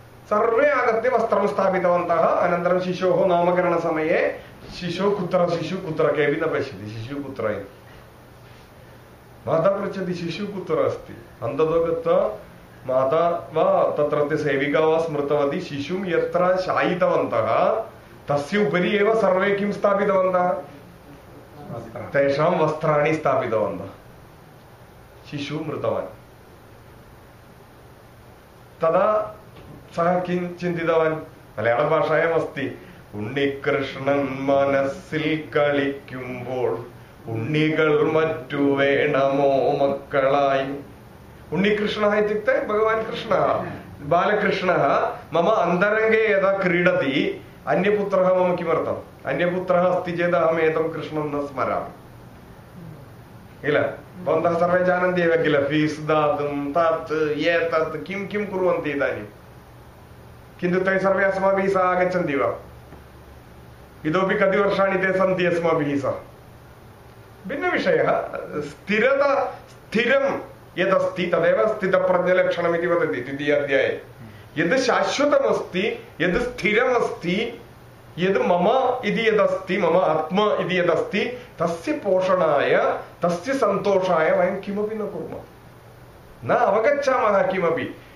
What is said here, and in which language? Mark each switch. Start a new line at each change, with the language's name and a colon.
Sanskrit: सर्वे आगत्य वस्त्रं स्थापितवन्तः अनन्तरं शिशोः नामकरणसमये शिशुः कुत्र शिशुः कुत्र केऽपि न पश्यति शिशुः कुत्र इति माता पृच्छति शिशुः कुत्र अस्ति अन्ततो गत्वा माता वा तत्रत्य सेविका वा स्मृतवती शिशुं यत्र शायितवन्तः तस्य उपरि एव सर्वे किं स्थापितवन्तः तेषां वस्त्राणि स्थापितवन्तः शिशुः मृतवान् तदा सः किं चिन्तितवान्?
Malayalam: മലയാളഭാഷയും
Sanskrit: അസ്തി.
Malayalam: ഉണ്ണികൃഷ്ണൻ മനസ്സിൽ കളിക്കുമ്പോൾ ഉണ്ണികൾ മറ്റു വേണമോ മക്കളായി.
Sanskrit: ഉണ്ണികൃഷ്ണ ഇത്യുക്തെ ഭഗവാൻ കൃഷ്ണ ബാലകൃഷ്ണ. മമ അന്തരംഗേ യഥാ ക്രീഡതി അന്യപുത്ര മമ കിമർത്ഥം? അന്യപുത്ര അസ്തി ചേത് അഹം ഏതം കൃഷ്ണം ന സ്മരാമി.
Malayalam: ഇല്ല,
Sanskrit: ഭവന്തഃ സർവേ ജാനന്തി എവ കില ഫീസ് ദാതും തത് ഏതത് കിം കിം കുറുവന്തി ഇദാനീം. किन्तु ते सर्वे अस्माभिः सह आगच्छन्ति वा? इतोपि कति वर्षाणि ते सन्ति अस्माभिः सह? भिन्नविषयः. स्थिरता स्थिरं यदस्ति तदेव स्थितप्रज्ञलक्षणम् इति वदति द्वितीयाध्याये. यद् शाश्वतमस्ति, यद् स्थिरमस्ति, यद् मम इति यदस्ति, मम आत्मा इति यदस्ति, तस्य पोषणाय तस्य सन्तोषाय वयं किमपि न कुर्मः, न अवगच्छामः किमपि.